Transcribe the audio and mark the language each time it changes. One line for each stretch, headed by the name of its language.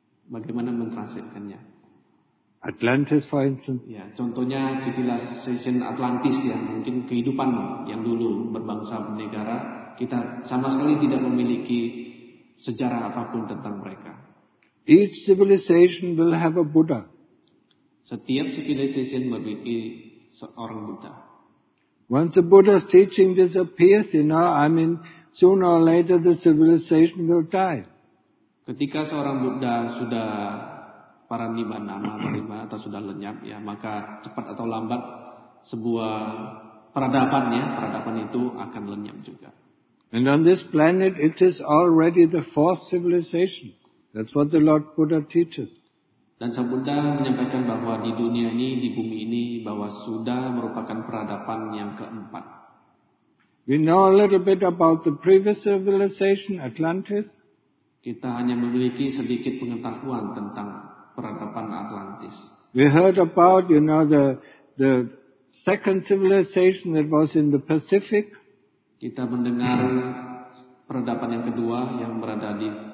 Indonesian: Bagaimana mentranslatekannya?
English: Atlantis, for instance.
Indonesian: Ya, contohnya civilization Atlantis, ya, mungkin kehidupan yang dulu berbangsa negara. Kita sama sekali tidak memiliki sejarah apapun tentang mereka.
English: Each civilization will have a Buddha.
Indonesian: Setiap civilization memiliki seorang Buddha.
English: Once the Buddha's teaching disappears, you know, I mean, sooner or later the civilization will die.
Indonesian: Ketika seorang Buddha sudah parinibbana, parinibbana atau sudah lenyap, ya, maka cepat atau lambat sebuah peradaban, ya, peradaban itu akan lenyap juga.
English: And on this planet, it is already the fourth civilization. That's what the Lord Buddha teaches.
Indonesian: Dan Sang Buddha menyampaikan bahwa di dunia ini, di bumi ini, bahwa sudah merupakan peradaban yang keempat.
English: We know a little bit about the previous civilization, Atlantis.
Indonesian: Kita hanya memiliki sedikit pengetahuan tentang peradaban Atlantis.
English: We heard about, you know, the second civilization that was in the Pacific.
Indonesian: Kita mendengar peradaban yang kedua yang berada di